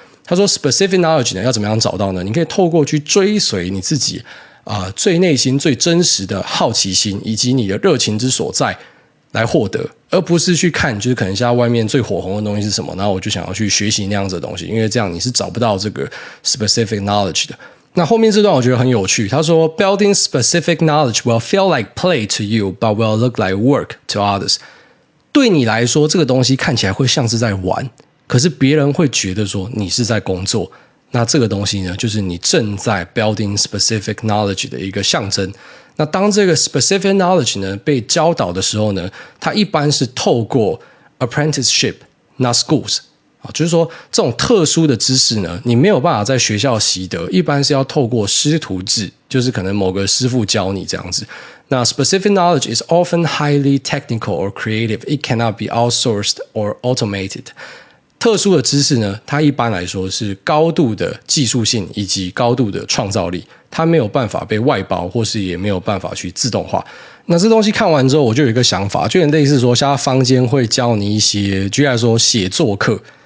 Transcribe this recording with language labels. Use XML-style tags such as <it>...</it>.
<zh>他说 specific knowledge 呢要怎么样找到呢？你可以透过去追随你自己最内心最真实的好奇心以及你的热情之所在来获得。而不是去看就是可能现在外面最火红的东西是什么，然后我就想要去学习那样子的东西，因为这样你是找不到这个 specific knowledge 的。那后面这段我觉得很有趣，他说</zh> <en>Building specific knowledge will feel like play to you but will look like work to others。</en> <zh>对你来说这个东西看起来会像是在玩，可是别人会觉得说你是在工作。那这个东西呢就是你正在</zh> <en>building specific knowledge</en> <zh>的一个象征。那当这个 specific knowledge 呢被教导的时候呢，它一般是透过</zh> <en>apprenticeship not schools，</en> <zh>就是说这种特殊的知识呢你没有办法在学校习得，一般是要透过师徒制，就是可能某个师傅教你这样子。</zh> <en>那 specific knowledge is often highly technical or creative, it cannot be outsourced or automated。</en> <zh>特殊的知识呢它一般来说是高度的技术性以及高度的创造力，它没有办法被外包，或是也没有办法去自动化。那这东西看完之后我就有一个想法，就很类似说现在坊间会教你一些居然说写作课。</zh>